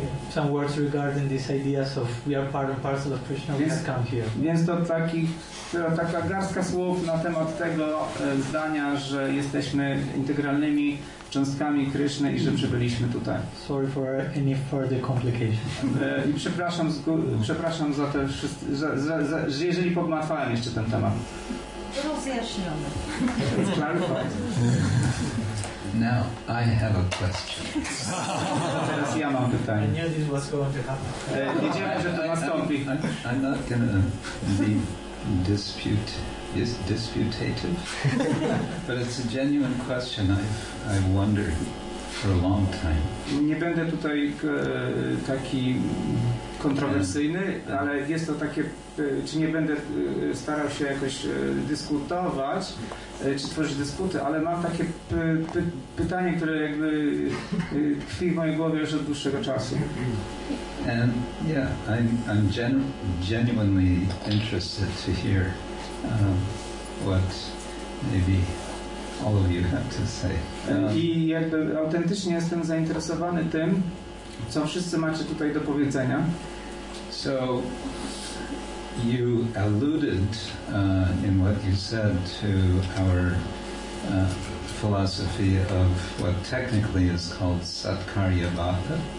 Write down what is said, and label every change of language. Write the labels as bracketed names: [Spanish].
[English] Some words regarding these ideas of we are part and parcel of Krishna, we have come here. [Polish] Więc to taka garstka słów na temat tego zdania, że jesteśmy integralnymi cząstkami Kryszny i że przybyliśmy tutaj. [English] Sorry for any further complications. [Polish] I przepraszam za te wszystkie, jeżeli pogmatwałem jeszcze ten temat. Rozjaśniony. [English] It's clarified. Now I have a question. [Polish] Teraz ja mam pytanie. [English] I knew this was going to happen. [Polish] Wiedziałem, że to nastąpi. [English] I'm not gonna be dispute. Is disputative, but it's a genuine question I've wondered for a long time. [Polish] Nie będę tutaj taki kontrowersyjny, ale jest to takie, czy nie będę starał się jakoś dyskutować, czy tworzyć dysputy, ale mam takie pytanie, które jakby tkwi w mojej głowie już od dłuższego czasu. [English] And yeah, I'm genuinely interested to hear what maybe all of you have to say. [Polish] I jakby autentycznie jestem zainteresowany tym, co wszyscy macie tutaj do powiedzenia. [English] So you alluded in what you said to our philosophy of what technically is called satkarya bhakti.